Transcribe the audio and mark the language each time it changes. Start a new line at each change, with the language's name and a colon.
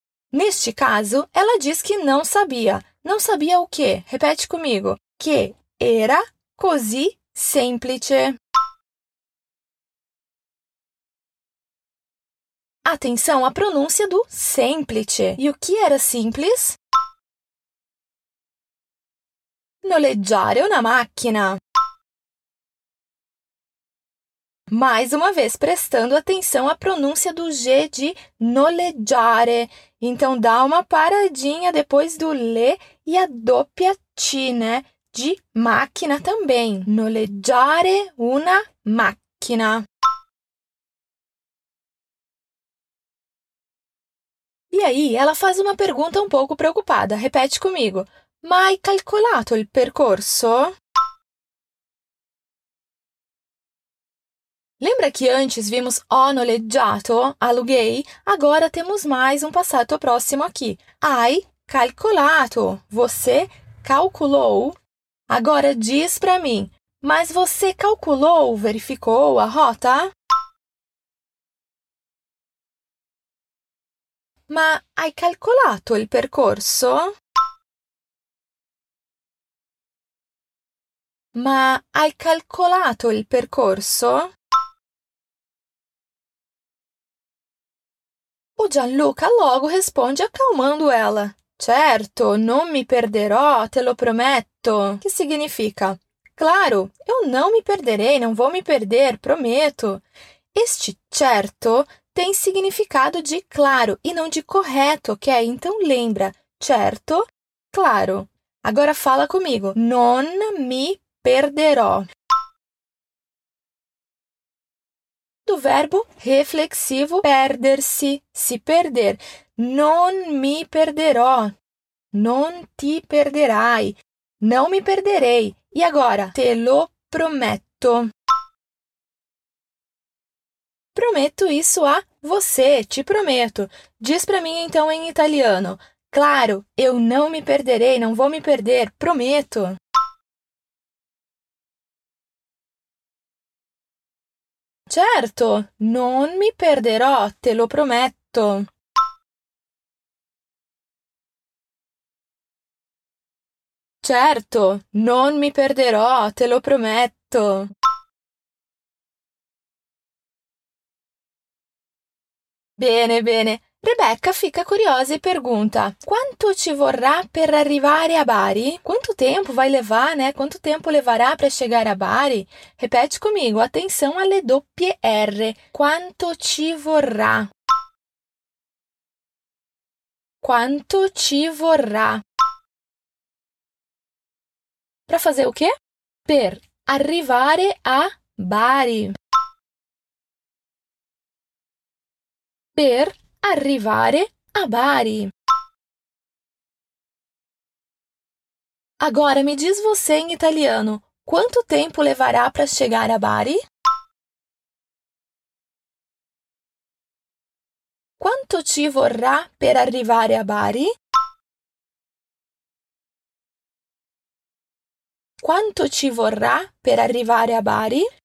Portuguese: Neste caso, ela diz que não sabia. Não sabia o quê? Repete comigo.
Italian: Que era così semplice.
Portuguese: Atenção à pronúncia do semplice. E o que era simples?
Italian: Noleggiare una macchina.
Portuguese: Mais uma vez, prestando atenção à pronúncia do G de noleggiare. Então, dá uma paradinha depois do le e a doppia T, né? De máquina também.
Italian: Noleggiare una macchina.
Portuguese: E aí, ela faz uma pergunta um pouco preocupada. Repete comigo.
Italian: Ma hai calcolato il percorso?
Portuguese: Lembra que antes vimos
Italian: ho noleggiato,
Portuguese: aluguei? Agora temos mais um passato próximo aqui.
Italian: Hai calcolato.
Portuguese: Você calculou? Agora diz para mim. Mas você calculou, verificou a rota?
Italian: Ma hai calcolato il percorso? Ma hai calcolato il percorso?
Portuguese: O Gianluca logo responde acalmando ela.
Italian: Certo, non mi perderò, te lo prometto. Che significa?
Portuguese: Claro, eu não me perderei, não vou me perder, prometo. Este certo tem significado de claro e não de correto, ok? Então lembra, certo, claro. Agora fala comigo.
Italian: Non mi perderò.
Portuguese: Do verbo reflexivo perder-se, se perder.
Italian: Non mi perderò. Non ti perderai.
Portuguese: Não me perderei. E agora?
Italian: Te lo prometto.
Portuguese: Prometo isso a você, te prometo. Diz para mim, então, em italiano. Claro, eu não me perderei, não vou me perder, prometo.
Italian: Certo, non mi perderò, te lo prometto. Certo, non mi perderò, te lo prometto. Bene, bene.
Portuguese: Rebecca fica curiosa e pergunta:
Italian: quanto ci vorrà per arrivare a Bari?
Portuguese: Quanto tempo vai levar, né? Quanto tempo levará para chegar a Bari? Repete comigo, atenção
Italian: alle doppie R. Quanto ci vorrà? Quanto ci vorrà?
Portuguese: Para fazer o quê?
Italian: Per arrivare a Bari. Per arrivare a Bari.
Portuguese: Agora me diz você em italiano, quanto tempo levará para chegar a Bari?
Italian: Quanto ci vorrà per arrivare a Bari? Quanto ci vorrà per arrivare a Bari?